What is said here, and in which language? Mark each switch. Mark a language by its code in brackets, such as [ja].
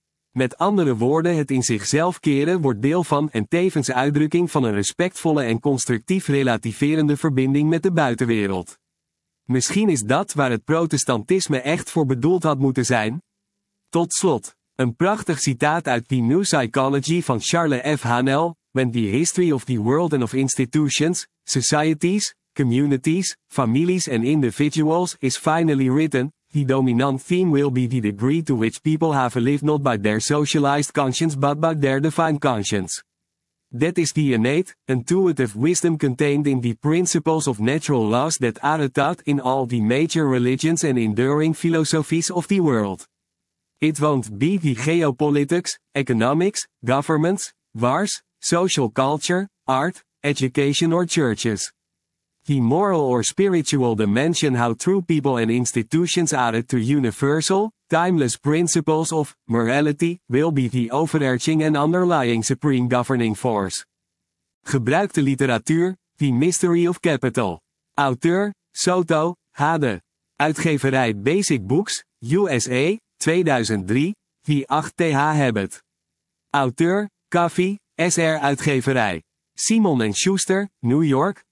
[nl] Met andere woorden, het in zichzelf keren wordt deel van en tevens uitdrukking van een respectvolle en constructief relativerende verbinding met de buitenwereld. Misschien is dat waar het protestantisme echt voor bedoeld had moeten zijn? Tot slot, een prachtig citaat uit The New Psychology van Charles F. [en] Hanel, When the History of the World and of Institutions, Societies, Communities, Families and Individuals is Finally Written, The dominant theme will be the degree to which people have lived not by their socialized conscience but by their divine conscience. That is the innate, intuitive wisdom contained in the principles of natural laws that are taught in all the major religions and enduring philosophies of the world. It won't be the geopolitics, economics, governments, wars, social culture, art, education or churches. The moral or spiritual dimension how true people and institutions added to universal, timeless principles of morality will be the overarching and underlying supreme governing force. [nl] Gebruik de literatuur, The Mystery of Capital. Auteur, Soto, Hade. Uitgeverij Basic Books, USA, 2003, The 8th Habit. Auteur, Kaffi, SR Uitgeverij. Simon & Schuster, New York.